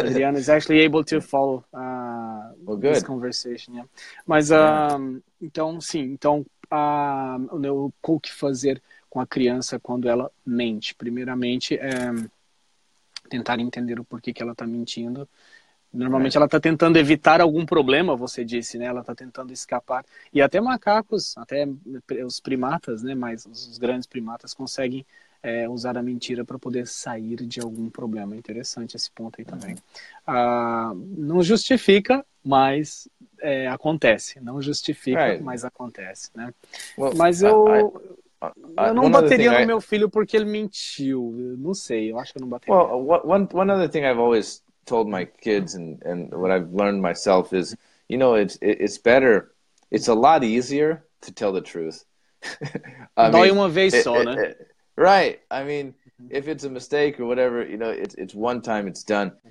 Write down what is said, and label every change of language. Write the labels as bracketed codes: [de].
[en] Adriano is actually able to follow this conversation. [pt] Yeah. Mas, então, sim. Então, o que fazer com a criança quando ela mente? Primeiramente, tentar entender o porquê que ela está mentindo. Normalmente ela está tentando evitar algum problema, você disse, né? Ela está tentando escapar. E até macacos, até os primatas, né? Mas os grandes primatas conseguem usar a mentira para poder sair de algum problema. Interessante esse ponto aí também. Não justifica, mas acontece. Não justifica, mas acontece, né? Well, mas eu não bateria no meu filho porque ele mentiu. Não sei, eu acho que eu não bateria. [en] Well, one other thing I've always told my kids and what I've learned myself is, you know, it's better, it's a lot easier to tell the truth. Right. I mean, if it's a mistake or whatever, you know, it's one time, it's done.